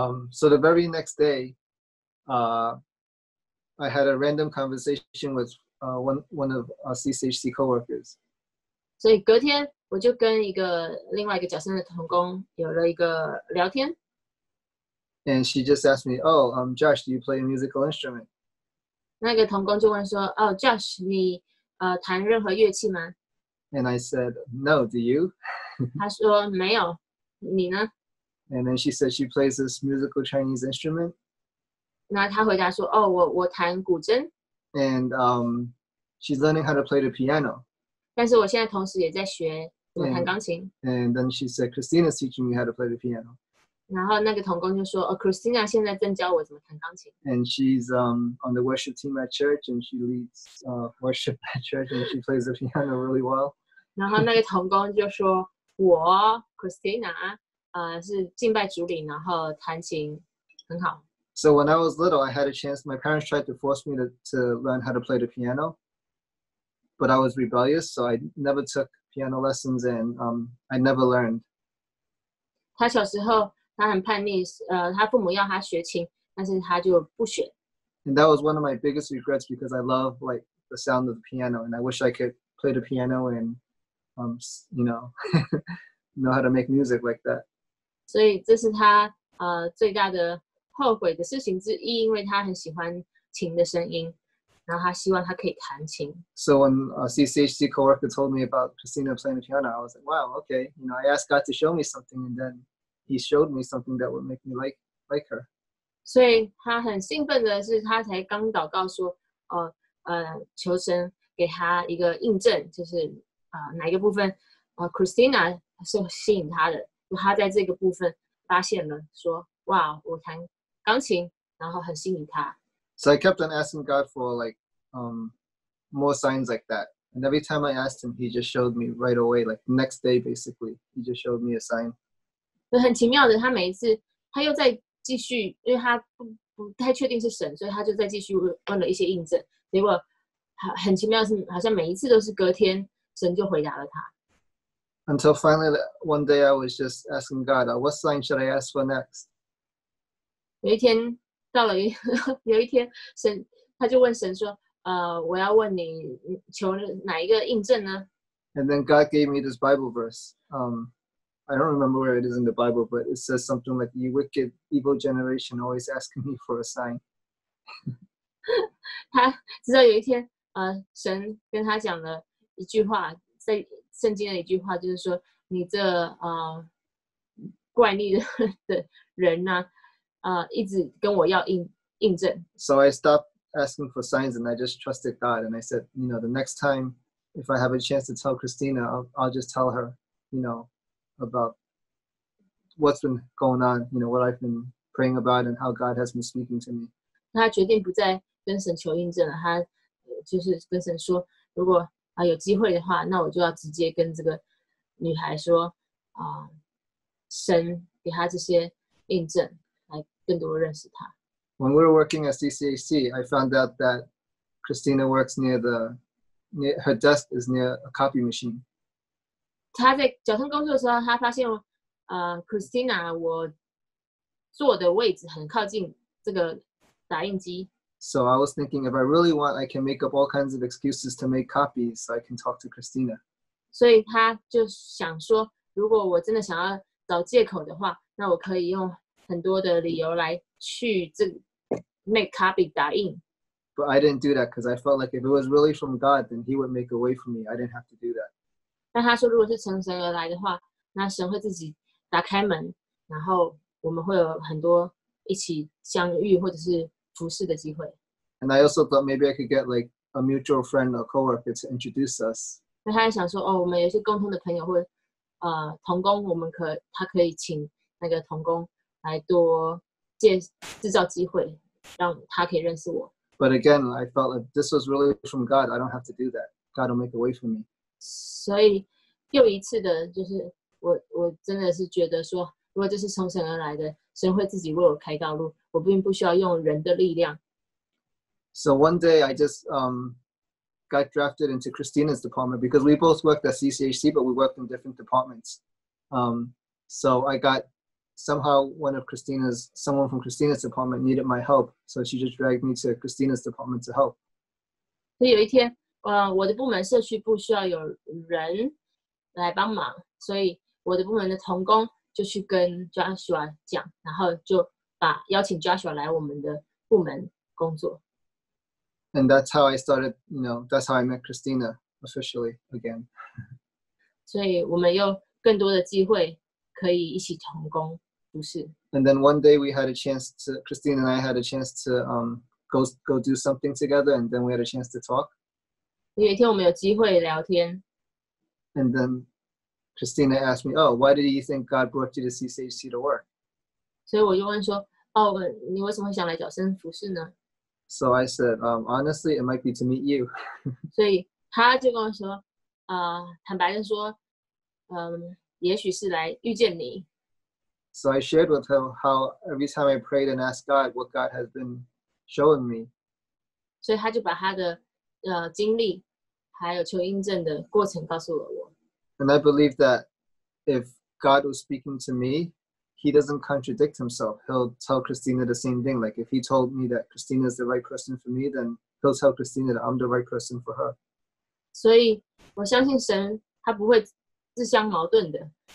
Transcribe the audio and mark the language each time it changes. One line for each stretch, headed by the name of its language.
English: So the very next day, I had a random conversation with one of our CCHC coworkers.
Chinese: 所以隔天我就跟另外一个角色的同工有了一个聊天。
English: And she just asked me, "Oh, Josh, do you play a musical instrument?"
Chinese: 那个同工就问说，哦 ，Josh， 你弹任何乐器吗
English: ？And I said, "No, do you?"
Chinese: 他说没有，你呢
English: ？And then she said she plays this musical Chinese instrument.
Chinese: 那他回答说，哦，我弹古筝。
English: And she's learning how to play the piano.
Chinese: 但是我现在同时也在学怎么弹钢琴。
English: And then she said, "Christina's teaching me how to play the piano."
Chinese: 然后那个同工就说，哦 ，Christina 现在正教我怎么弹钢琴。
English: And she's on the worship team at church, and she leads worship at church, and she plays the piano really well.
Chinese: 然后那个同工就说，我 Christina 是敬拜主领，然后弹琴很好。
English: So when I was little, I had a chance. My parents tried to force me to learn how to play the piano, but I was rebellious, so I never took piano lessons, and I never learned.
Chinese: 他小时候他很叛逆，他父母要他学琴，但是他就不学。
English: And that was one of my biggest regrets because I love like the sound of the piano, and I wish I could play the piano and you know know how to make music like that.
Chinese: 所以这是他最大的后悔的事情之一，因为他很喜欢琴的声音，然后他希望他可以弹琴。
English: So when a CCHC coworker told me about Christina playing the piano, I was like, "Wow, okay." You know, I asked God to show me something, and then He showed me something that would make me like her.
Chinese: 所以他很兴奋的是，他才刚祷告说，求神给他一个印证，就是哪一个部分Christina 是吸引他的，就他在这个部分发现了说。哇、wow, 我弹钢琴然后很吸引他。
English: So I kept on asking God for like, more signs like that. And every time I asked him, he just showed me right away, like next day basically, he just showed me a sign.
Chinese: 很奇妙的，他每一次他又在继续，因为他 不太确定是神，所以他就在继续问了一些印证。结果很奇妙是好像每一次都是隔天神就回答了他。
English: Until finally, one day I was just asking God, what sign should I ask for next?
Chinese: 有一天到了有一天神他就问神说我要问你求哪一个印证呢。
English: And then God gave me this Bible verse. I don't remember where it is in the Bible, but it says something like, "You wicked, evil generation, always asking me for a sign."
Chinese: 他直到有一天神跟他讲了一句话，在圣经的一句话，就是说你这怪力的人啊一直跟我要印证。
English: So I stopped asking for signs and I just trusted God and I said, you know, the next time if I have a chance to tell Christina, I'll just tell her, you know, about what's been going on, you know, what I've been praying about and how God has been speaking to me.
Chinese: 他决定不再跟神求印证了，他就是跟神说，如果有机会的话，那我就要直接跟这个女孩说神给她这些印证。
English: When we were working at CCHC, I found out that Christina works near her desk is near a copy machine.
Chinese: 她在矫正工作的时候，她发现Christina 我坐的位置很靠近这个打印机。
English: So I was thinking, if I really want, I can make up all kinds of excuses to make copies so I can talk to Christina.
Chinese: 所以他就想说，如果我真的想要找借口的话，那我可以用很多的理由来去这
English: make copy
Chinese: 打印。
English: But I didn't do that because I felt like if it was really from God, then He would make a way for me. I didn't have to do that.
Chinese: 但他说，如果是从神而来的话，那神会自己打开门，然后我们会有很多一起相遇或者是服侍的机会。
English: And I also thought maybe I could get like a mutual friend or coworker to introduce us.
Chinese: 那他也想说，哦，我们有些共同的朋友或同工，我们可以请那个同工来多制造机会，让他可以认识我。
English: But again, I felt that this was really from God. I don't have to do that. God will make a way for me.
Chinese: 所以又一次的，就是我真的是觉得说，如果这是从神而来的，神会自己为我开道路，我并不需要用人的力量。
English: So one day I just got drafted into Christina's department because we both worked at CCHC, but we worked in different departments. So I got somehow someone from Christina's department needed my help, so she just dragged me to Christina's department to help.
Chinese: 所以有一天，我的部门社区部需要有人来帮忙，所以我的部门的同工就去跟 Joshua 讲，然后就把邀请 Joshua 来我们的部门工作。
English: And that's how I started, you know, that's how I met Christina officially again.
Chinese: 所以我们有更多的机会可以一起同工，不是。
English: And then one day we had a chance to, Christina and I had a chance to go do something together, and then we had a chance to talk.
Chinese: 有一天我们有机会聊天。
English: And then Christina asked me, oh, why did you think God brought you to CCHC to work?
Chinese: 所以我就问说，哦，你为什么想来角声服事呢？
English: So I said, honestly, it might be to meet you.
Chinese: 所以他就跟我说，坦白的说，也许是来遇见你。
English: So I shared with him how every time I prayed and asked God what God has been showing me.
Chinese: 所以他就把他的经历，还有求印证的过程告诉了我。
English: And I believe that if God was speaking to me, He doesn't contradict himself. He'll tell Christina the same thing. Like if he told me that Christina is the right person for me, then he'll tell Christina that I'm the right person for her.
Chinese: 所以我相信神他不会自相矛盾的。